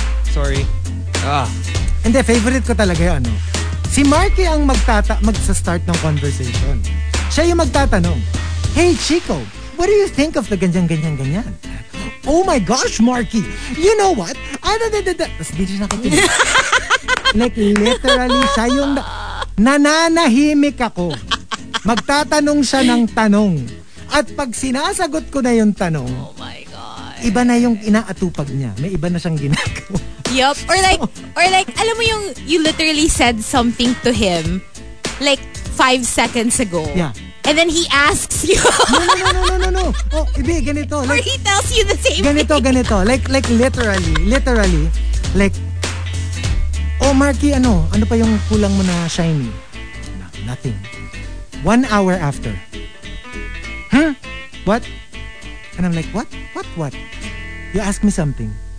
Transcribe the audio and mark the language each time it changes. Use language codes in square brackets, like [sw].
[en] Sorry. Ah. And the favorite [tl] ko talaga yung ano, si Markki ang magsa-start ng conversation. Siya yung magtatanong, [en] hey Chico, what do you think of the [tl] ganyan-ganyan-ganyan? [en] Oh my gosh, Markki, you know what? [tl] Tapos dito siya nakikinig. Like literally, siya yung nananahimik ako. Magtatanong siya ng tanong. At pag sinasagot ko na yung tanong, [en] oh my God. [tl] Iba na yung inaatupag niya. May iba na siyang ginagawa. [en] Yup. Or like, [tl] alam mo yung [en] you literally said something to him like 5 seconds ago. Yeah. And then he asks you. [tl] No. Oh, ibig, ganito. [en] Like, or he tells you the same [tl] ganito, [en] thing. Ganito. Like literally. Like, oh Markki, [tl] ano pa yung kulang mo na [en] shiny? Nothing. 1 hour after. Huh? What? And I'm like, what? You asked me something.